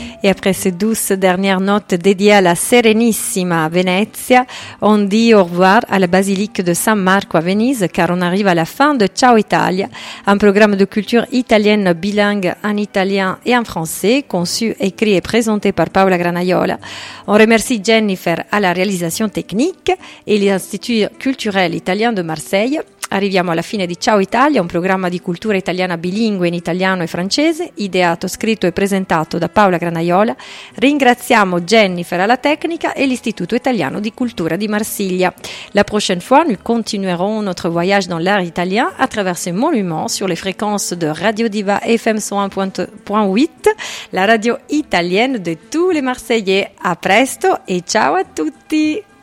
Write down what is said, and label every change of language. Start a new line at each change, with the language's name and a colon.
French: après ces douces dernières notes dédiées à la sérénissima Venezia, on dit au revoir à la basilique de San Marco à Venise, car on arrive à la fin de Ciao Italia, un programme de culture italienne bilingue en italien et en français, conçu, écrit et présenté par Paola Granaiola. On remercie Jennifer à la réalisation technique et l'Institut culturel italien de Marseille.
Italian: Arriviamo alla fine di Ciao Italia, un programma di cultura italiana bilingue in italiano e francese, ideato, scritto e presentato da Paola Granaiola. Ringraziamo Jennifer alla tecnica e l'Istituto Italiano di Cultura di Marsiglia.
French: La prochaine fois, nous continuerons notre voyage dans l'art italien à travers ces monuments sur les fréquences de Radio Diva FM 101.8, la radio italienne de tous les Marseillais. À
Italian: presto
French: et
Italian: ciao à tutti!